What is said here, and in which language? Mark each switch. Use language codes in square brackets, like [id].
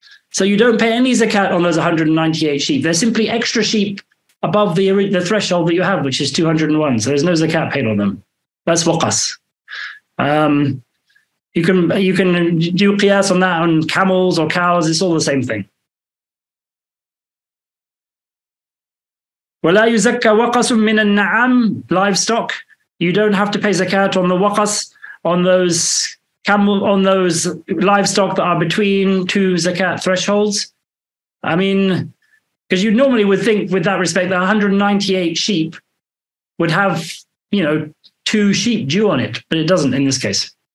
[en] So you don't pay any zakat on those 198 sheep. They're simply extra sheep above the threshold that you have, which is 201. So there's no zakat paid on them. That's waqas. You can do qiyas on that on camels or cows. It's all the same thing. [ar] وَلَا يُزَكَّ وَقَصٌ مِّنَ النَّعَمِ [en] Livestock. You don't have to pay zakat on the waqas, on those camel, on those livestock that are between two zakat thresholds. I mean, because you normally would think with that respect that 198 sheep would have, you know, two sheep due on it, but it doesn't in this case.